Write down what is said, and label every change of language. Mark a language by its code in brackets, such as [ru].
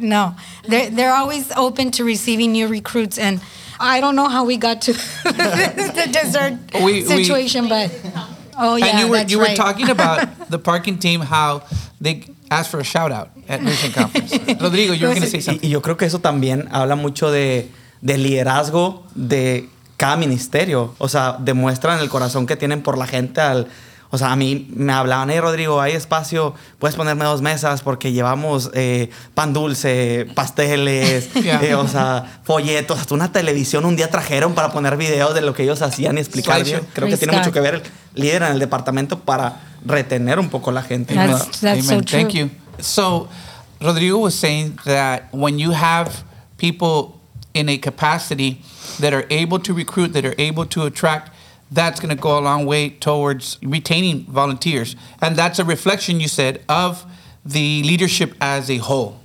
[en] No, they're always open to receiving new recruits. And I don't know how we got to the dessert situation, but oh, yeah. And you were, that's you were right. Talking about the parking team, how they asked for a shout out at Mission Conference. Rodrigo, you were going to say something. [es] Yo creo que eso también habla mucho de liderazgo, de cada ministerio. O sea, demuestran el corazón que tienen por la gente. O sea, a mí me hablaban, hey, Rodrigo, hay espacio, puedes ponerme dos mesas porque llevamos pan dulce, pasteles, o sea, folletos. Hasta una televisión un día trajeron para poner videos de lo que ellos hacían y explicar. Creo que Scott tiene mucho que ver el líder en el departamento para retener un poco la gente. [en] That's so true. Thank you. So, Rodrigo was saying that when you have people in a capacity that are able to recruit, that are able to attract, that's going to go a long way towards retaining volunteers. And that's a reflection, you said, of the leadership as a whole.